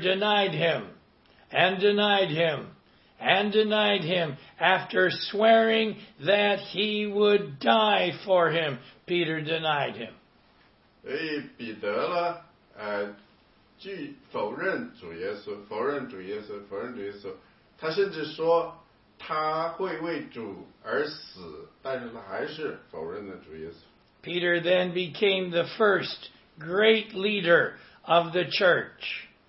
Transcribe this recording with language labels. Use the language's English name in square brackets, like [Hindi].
[English] denied him, and denied him, and denied him after swearing that he would die for him. Peter denied him. [Chinese] 所以彼得呢，拒否认主耶稣，否认主耶稣，否认主耶稣。他甚至说他会为主而死，但是他还是否认了主耶稣。 [English] Peter then became the first great leader of the church.